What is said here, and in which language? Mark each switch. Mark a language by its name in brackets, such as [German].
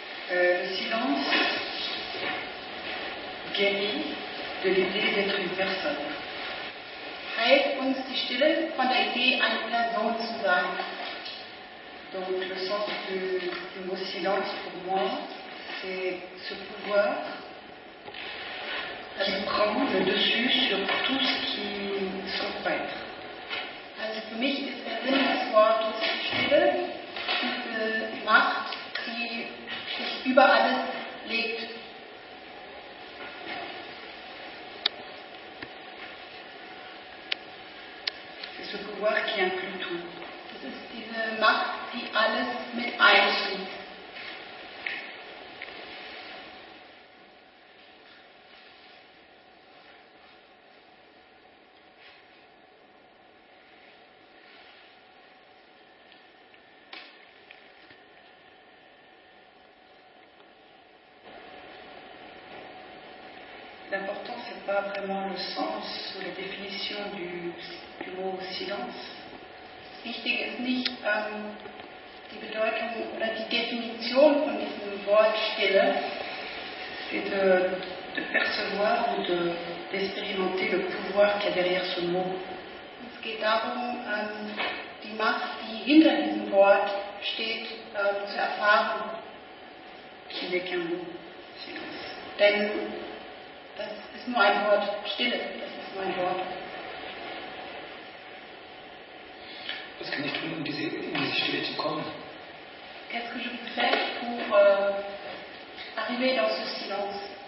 [French] Le silence guérit de l'idée d'être une personne. [German] Heilt uns die Stille von der Idee, eine Person zu sein. [French] Donc le sens du mot silence pour moi, c'est ce pouvoir qui prend le dessus sur tout ce qui s'empêtre. [German] Also für mich ist der Sinn des Wortes Stille diese Macht, die sich über alles legt. [French] C'est ce pouvoir qui inclut tout. [German] Das ist diese Macht, die alles mit einschließt. [French] L'important, ce n'est pas vraiment le sens ou la définition du mot silence. [German] Wichtig ist nicht die Bedeutung oder die Definition von diesem Wort Stille. [French] C'est de percevoir ou d'expérimenter le pouvoir qu'il y a derrière ce mot. [German] Es geht darum, die Macht, die hinter diesem Wort steht, zu erfahren. [French] Qu'il n'est qu'un mot, silence. [German] Denn das ist nur ein Wort, Stille, das ist nur ein Wort. Was kann ich tun, um in diese Stille zu kommen? [French] Qu'est-ce que je peux faire pour arriver dans ce silence?